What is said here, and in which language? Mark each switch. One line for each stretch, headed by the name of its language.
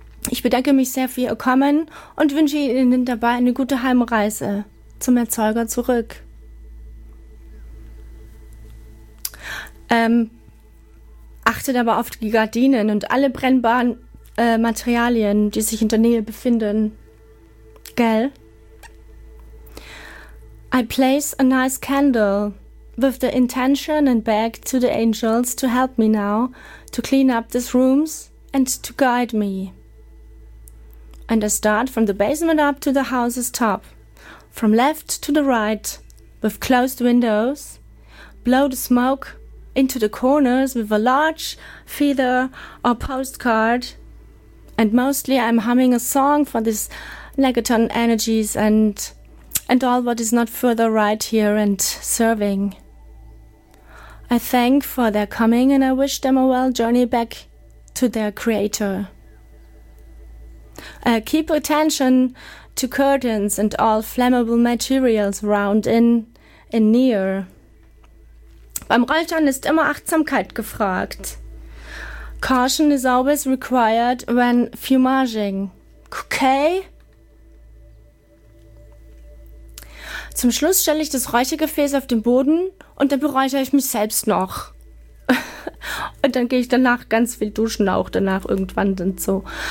German: Ich bedanke mich sehr für Ihr Kommen und wünsche Ihnen dabei eine gute Heimreise zum Erzeuger zurück. Achtet aber auf die Gardinen und alle brennbaren Materialien, die sich in der Nähe befinden. Gell?
English: I place a nice candle with the intention and beg to the angels to help me now to clean up these rooms and to guide me. And I start from the basement up to the house's top, from left to the right, with closed windows, blow the smoke into the corners with a large feather or postcard, and mostly I'm humming a song for these negaton energies and all what is not further right here and serving. I thank for their coming and I wish them a well journey back to their creator. Keep attention to curtains and all flammable materials around in near.
German: Beim Räuchern ist immer Achtsamkeit gefragt.
English: Caution is always required when fumaging. Okay?
German: Zum Schluss stelle ich das Räuchergefäß auf den Boden und dann beräuchere ich mich selbst noch. Und dann gehe ich danach ganz viel duschen auch danach irgendwann und so.